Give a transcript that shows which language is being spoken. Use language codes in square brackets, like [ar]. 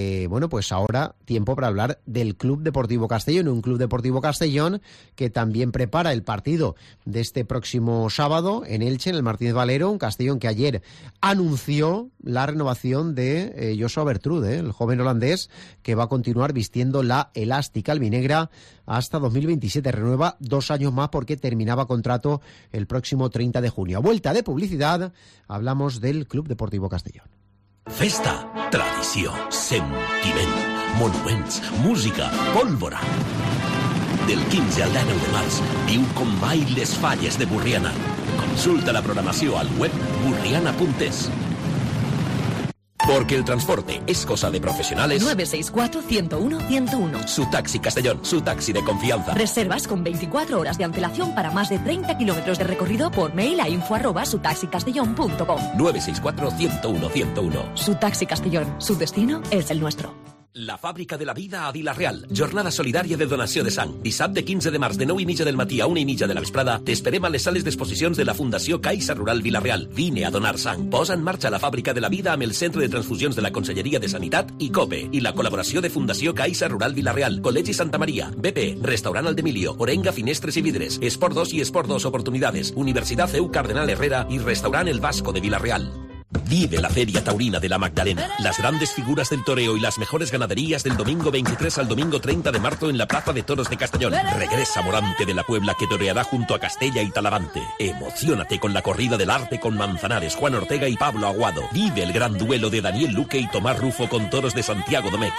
[es] Bueno, pues ahora tiempo para hablar del Club Deportivo Castellón, un Club Deportivo Castellón que también prepara el partido de este próximo sábado en Elche, en el Martínez Valero, un Castellón que ayer anunció la renovación de Joshua Bertrude, el joven holandés que va a continuar vistiendo la elástica albinegra hasta 2027, renueva dos años más porque terminaba contrato el próximo 30 de junio. A vuelta de publicidad, hablamos del Club Deportivo Castellón. [ca] Festa, tradició, sentiment, monuments, música, pólvora. Del 15 al 19 de març, viu com mai les falles de Borriana. Consulta la programació al web burriana.es. [es] Porque el transporte es cosa de profesionales. 964-101-101. Su taxi Castellón, su taxi de confianza. Reservas con 24 horas de antelación para más de 30 kilómetros de recorrido por mail a info@sutaxicastellón.com. 964-101-101. Su taxi Castellón, su destino es el nuestro. [ca] La fàbrica de la vida a Vila Real. Jornada solidària de donació de sang. Dissabte 15 de març de 9:30 del matí a 1:30 de la vesprada t'esperem a les sales d'exposicions de la Fundació Caixa Rural Vila Real. Vine a donar sang. Posa en marxa la fàbrica de la vida amb el Centre de Transfusions de la Conselleria de Sanitat i COPE i la col·laboració de Fundació Caixa Rural Vila Real, Col·legi Santa Maria, BP, Restaurant Al Demilio, Orenga Finestres i Vidres, Esport 2 i Esport 2 Oportunidades, Universitat Feu Cardenal Herrera i Restaurant El Vasco de Vila Real. [es] Vive la Feria Taurina de la Magdalena. Las grandes figuras del toreo y las mejores ganaderías del domingo 23 al domingo 30 de marzo en la Plaza de Toros de Castellón. Regresa Morante de la Puebla, que toreará junto a Castella y Talavante. Emocionate con la corrida del arte con Manzanares, Juan Ortega y Pablo Aguado. Vive el gran duelo de Daniel Luque y Tomás Rufo con toros de Santiago Domecq.